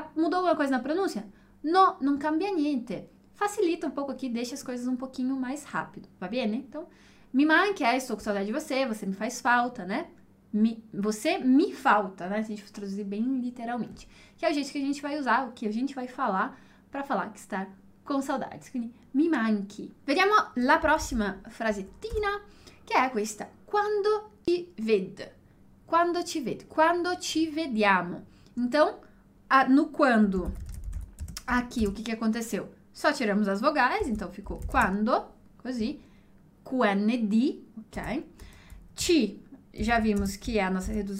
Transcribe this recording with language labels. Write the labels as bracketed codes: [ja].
[pt] Mudou alguma coisa na pronúncia? [it] No, non cambia niente. [pt] Facilita um pouco aqui, deixa as coisas um pouquinho mais rápido, [it] va bene? [pt] Então, mi manchi, estou com saudade de você, você me faz falta, né? Você me falta, né? Se a gente for traduzir bem literalmente. Que é o jeito que a gente vai usar, o que a gente vai falar para falar que está com saudades. [it] Quindi, mi manchi. Vediamo la prossima frasettina, che è questa. Quando ti ved? Quando ti ved? Quando ci vediamo? [pt] Então, no quando, aqui o que que aconteceu? Só tiramos as vogais, então ficou quando, così, QND, ok? Ci, já vimos que é a nossa